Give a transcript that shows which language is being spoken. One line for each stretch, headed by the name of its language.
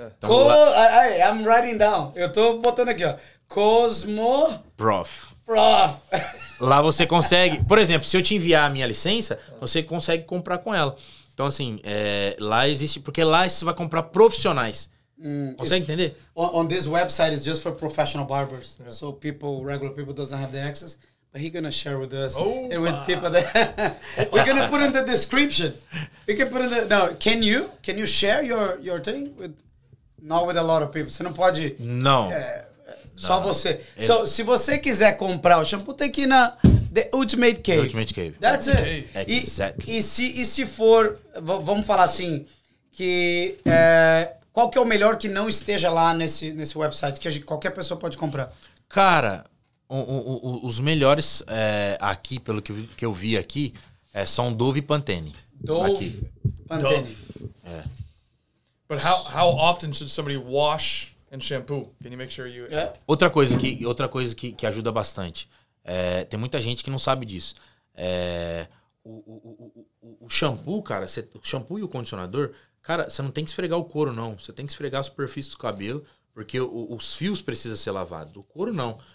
Portuguese: Então,
English: I'm writing down.
Portuguese: Eu tô botando aqui, ó. Cosmoprof. Prof. Lá você consegue... Por exemplo, se eu te enviar a minha licença, você consegue comprar com ela. Então, assim, lá existe... Porque lá você vai comprar profissionais. Você entende?
English: On this website, it's just for professional barbers. Yeah. So people, regular people, doesn't have the access. But he's going to share with us. Oh, and with people that... We're going to put in the description. We can put in the... Now, can you? Can you share your thing? With Not with a lot of people.
Portuguese: Você não pode...
English: No.
Portuguese: Só não. Você.
English: It's, so,
Portuguese: se você quiser comprar o shampoo, tem que ir na...
English: The Ultimate Cave. The Ultimate Cave. That's Ultimate it. Cave. Exactly.
Portuguese: E se for... Vamos falar assim, que... qual que é o melhor que não esteja lá nesse website, que qualquer pessoa pode comprar? Cara, os melhores aqui, pelo que eu vi aqui, são Dove e Pantene. Dove, Pantene. É.
English: But how often should somebody wash and shampoo? Can you make sure you... Yeah.
Portuguese: Outra coisa que ajuda bastante. Tem muita gente que não sabe disso. O shampoo, cara, o shampoo e o condicionador... Cara, você não tem que esfregar o couro, não. Você tem que esfregar a superfície do cabelo, porque os fios precisam ser lavados. O couro, não.